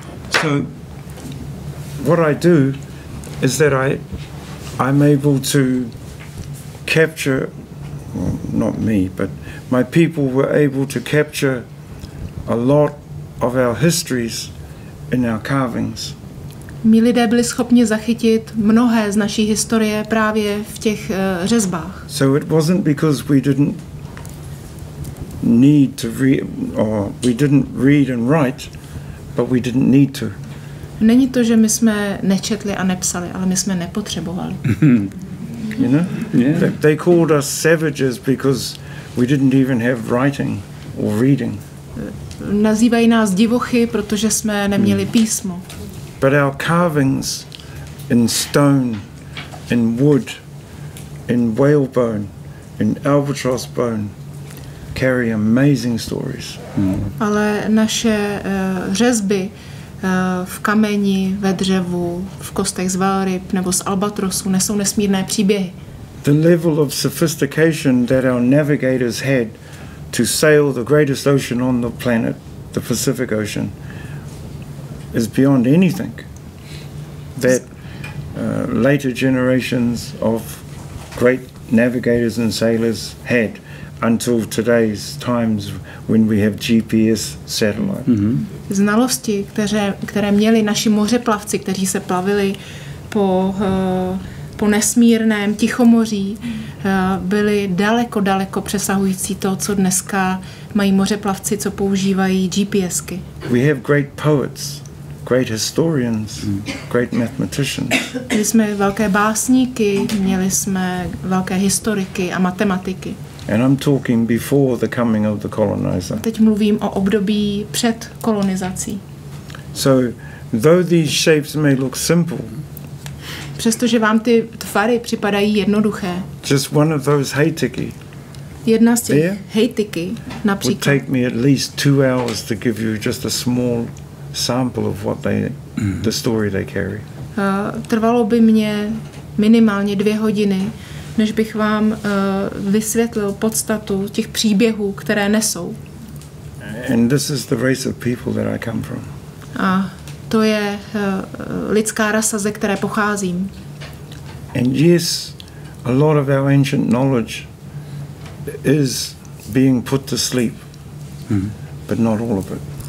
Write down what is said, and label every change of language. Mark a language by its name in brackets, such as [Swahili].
[English] So what I do is that I'm able to capture, well, not me, but my people were able to capture a lot of our histories in our carvings. [Czech] My lidé byli schopni zachytit mnohé z naší historie právě v těch řezbách. [English] So it wasn't because we didn't need to read, or we didn't read and write, but we didn't need to. [Czech] Není to, že my jsme nečetli a nepsali, ale my jsme nepotřebovali. [English] You know? Yeah. They called us savages because we didn't even have writing or reading. [Czech] Nazývají nás divochy, protože jsme neměli písmo. [English] But our carvings in stone, in wood, in whalebone, in albatross bone carry amazing stories. [Czech] Ale naše řezby v kameni, ve dřevu, v kostech z velryb nebo z albatrosu nesou nesmírné příběhy. [English] The level of sophistication that our navigators had to sail the greatest ocean on the planet, the Pacific Ocean, is beyond anything that later generations of great navigators and sailors had until today's times when we have GPS satellite. Mm-hmm. [Czech] Znalosti, které měli naši mořeplavci, kteří se plavili po po nesmírném Tichomoří byly daleko, daleko přesahující to, co dneska mají mořeplavci, co používají GPSky. [English] We have great poets, great historians, great mathematicians. [Czech] Měli jsme velké básníky, měli jsme velké historiky a matematiky. [English] And I'm talking before the coming of the colonizer. [Czech] Teď mluvím o období před kolonizací. [English] So, though these shapes may look simple, [Czech] přestože vám ty tvary připadají jednoduché, [English] just one of those hejtiky, [Czech] jedna z těch hejtiky například, [English] would take me at least 2 hours to give you just a small sample of what they, the story they carry. [Czech] Trvalo by mě minimálně 2 hodiny, než bych vám vysvětlil podstatu těch příběhů, které nesou. [English] And this is the race of people that I come from. [Czech] A to je lidská rasa, ze které pocházím. [English] And yes, a lot of our ancient knowledge is being put to sleep, but not all of it.